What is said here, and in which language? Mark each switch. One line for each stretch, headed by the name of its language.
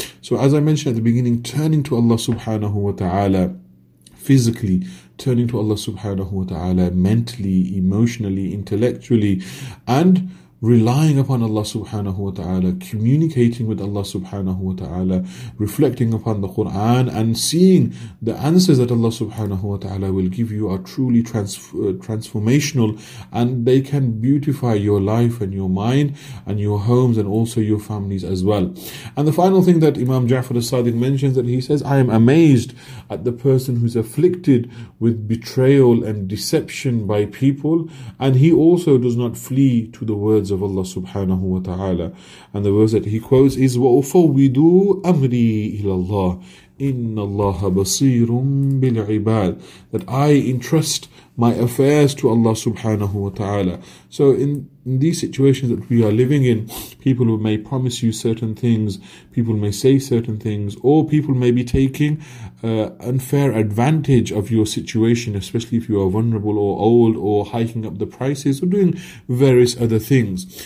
English: So as I mentioned at the beginning, turning to Allah subhanahu wa ta'ala physically, turning to Allah subhanahu wa ta'ala mentally, emotionally, intellectually, and relying upon Allah subhanahu wa ta'ala, communicating with Allah subhanahu wa ta'ala, reflecting upon the Quran and seeing the answers that Allah subhanahu wa ta'ala will give you are truly transformational, and they can beautify your life and your mind and your homes and also your families as well. And the final thing that Imam Ja'far al-Sadiq mentions, that he says, I am amazed at the person who's afflicted with betrayal and deception by people, and he also does not flee to the word of Allah subhanahu wa ta'ala. And the verse that he quotes is,
Arabic: وَأُفَوِّدُوا أَمْرِي إِلَى اللَّهِ إِنَّ اللَّهَ بَصِيرٌ بِالْعِبَادِ.
English: That I entrust my affairs to Allah subhanahu wa ta'ala. So in these situations that we are living in, people may promise you certain things, people may say certain things, or people may be taking unfair advantage of your situation, especially if you are vulnerable or old or hiking up the prices or doing various other things.